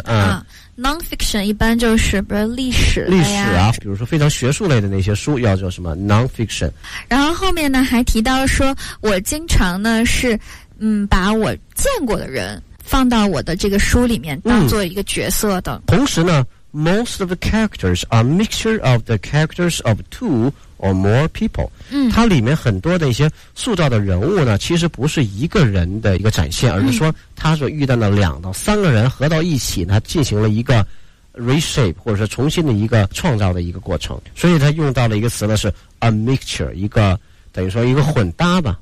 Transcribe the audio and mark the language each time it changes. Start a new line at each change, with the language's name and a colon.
Chinese: 啊。Non-fiction 一般就是比如历史类啊，历史啊，比如说非常学术类的那些书要叫什么 Non-fiction。然后后面呢还提到说，我经常呢是把我见过的人放到我的这个书里面当做一个角色的、嗯、同时呢
English: Most of the characters are mixture of the characters of two or more people、嗯、
Chinese: 它里面很多的一些塑造的人物呢其实不是一个人的一个展现，而是说他所遇到的两到三个人合到一起呢进行了一个 reshape 或者是重新的一个创造的一个过程，所以他用到了一个词呢是 a mixture， 一个等于说一个混搭吧。